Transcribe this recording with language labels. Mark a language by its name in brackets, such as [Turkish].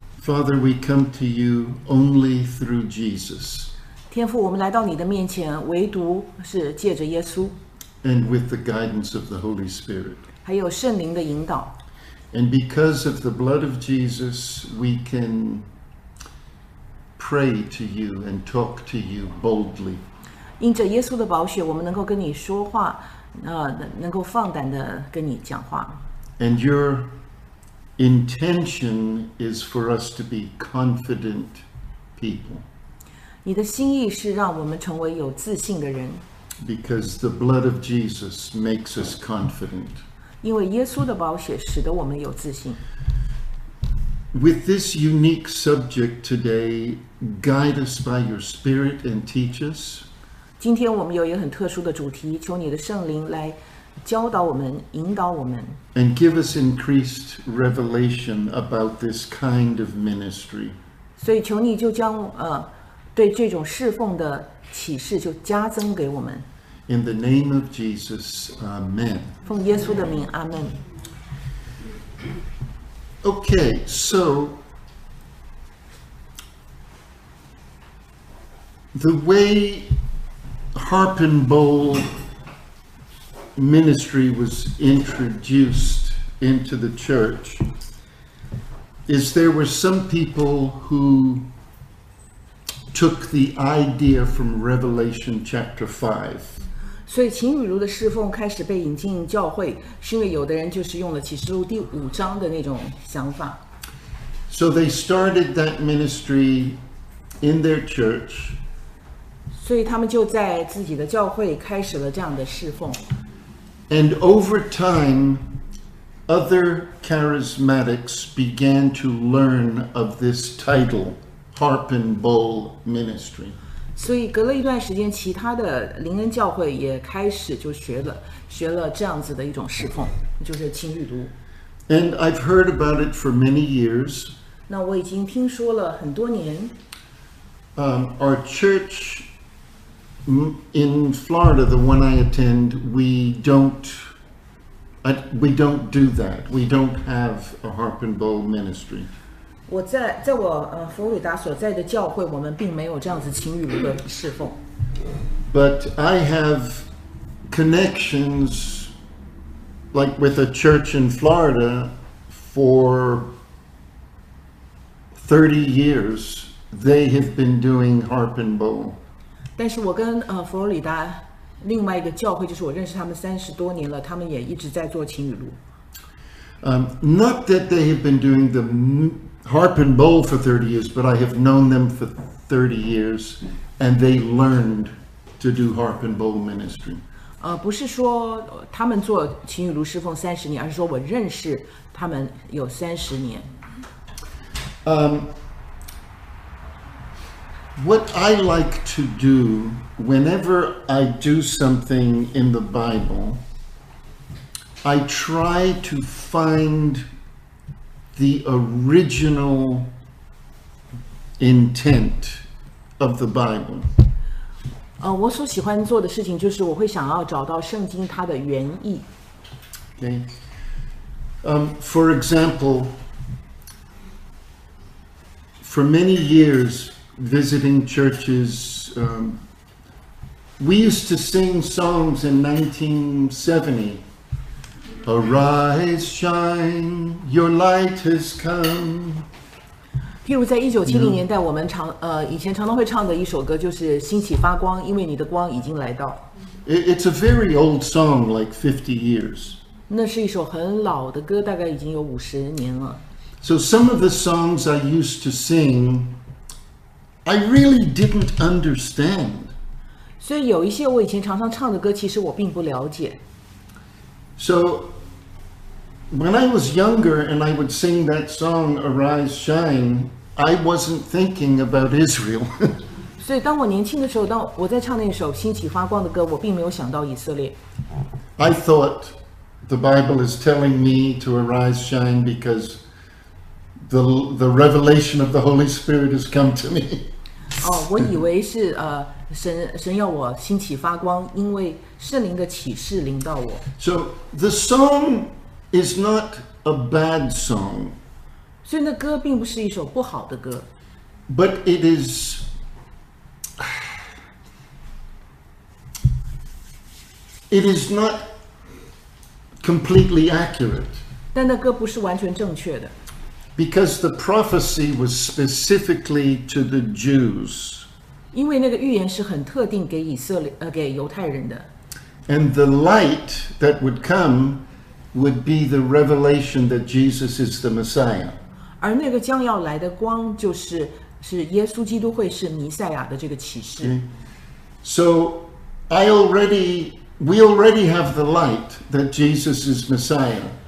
[English] Father, we come to you only through Jesus. [Chinese] 天父，我们来到你的面前，唯独是借着耶稣。 [English] And with the guidance of the Holy Spirit. [Chinese] 还有圣灵的引导。 [English] And because of the blood of Jesus, we can pray to you and talk to you boldly. [Chinese] 因着耶稣的宝血，我们能够跟你说话，能够放胆的跟你讲话。 [English] And your intention is for us to be confident people. [Chinese] 你的心意是让我们成为有自信的人。 [English] Because the blood of Jesus makes us confident. [Chinese] 因为耶稣的宝血使得我们有自信。 [English] With this unique subject today, guide us by your Spirit and teach us. [Chinese] 今天我们有一个很特殊的主题，求你的圣灵来教导我们，引导我们。 [English] And give us increased revelation about this kind of ministry. [Chinese] 所以求你就将对这种侍奉的启示就加增给我们。 [English] In the name of Jesus, Amen. [Chinese] 奉耶稣的名，阿门。 [English] Okay, so the way Harpen Bowl ministry was introduced into the church is there were some people who took the idea from Revelation chapter 5. [Chinese] 所以秦雨茹的侍奉开始被引进教会，是因为有的人就是用了启示录第五章的那种想法。 [English] So they started that ministry in their church. [Chinese] 所以他们就在自己的教会开始了这样的侍奉。 [English] And over time, other charismatics began to learn of this title, Harp and Bowl Ministry. [Chinese] 所以隔了一段时间，其他的灵恩教会也开始就学了这样子的一种侍奉，就是轻语读。 [English] And I've heard about it for many years. [Chinese] 那我已经听说了很多年。 [English] Our church in Florida, the one I attend, we don't do that. We don't have a Harp and Bowl Ministry. [Chinese] 我在我佛罗里达所在的教会，我们并没有这样子琴语录的侍奉。 [English] But I have connections, like with a church in Florida, for 30 years. They have been doing Harp and Bowl. [Chinese] 但是我跟佛罗里达另外一个教会，就是我认识他们30多年了，他们也一直在做琴语录。 [English] Not that they have been doing the Harp and Bowl for 30 years, but I have known them for 30 years, and they learned to do Harp and Bowl ministry. [Chinese] 不是说他们做琴语录侍奉30年，而是说我认识他们有30年。 [English] What I like to do whenever I do something in the Bible, I try to find the original intent of the Bible. [Chinese] 我所喜欢做的事情就是我会想要找到圣经它的原意。 [English] Okay. For example, for many years, visiting churches, we used to sing songs in 1970. Arise, shine, your light has come. [Chinese] 譬如在1970年代，我们以前常常会唱的一首歌就是《兴起发光》，因为你的光已经来到。 [English] It's a very old song, like 50 years. [Chinese] 那是一首很老的歌，大概已经有50年了。 [English] So some of the songs I used to sing, I really didn't understand. [Chinese] 所以有一些我以前常常唱的歌，其实我并不了解。 [English] So, when I was younger and I would sing that song, Arise, Shine, I wasn't thinking about Israel. [Chinese] 所以当我年轻的时候，当我在唱那首兴起发光的歌，我并没有想到以色列。 [English] I thought the Bible is telling me to arise, shine, because the revelation of the Holy Spirit has come to me. [Chinese] 我以为是神要我兴起发光，因为圣灵的启示临到我。 [English] So the song is not a bad song. [Chinese] 所以那歌并不是一首不好的歌。 [English] But it is, not completely accurate. [Chinese] 但那歌不是完全正确的。 [English] Because the prophecy was specifically to the Jews. [Chinese] 因为那个预言是很特定给以色列，给犹太人的。 [English] And the light that would come would be the revelation that Jesus is the Messiah. [Chinese] 而那个将要来的光就是是耶稣基督会是弥赛亚的这个启示。 [English] So we already have the light that Jesus is Messiah.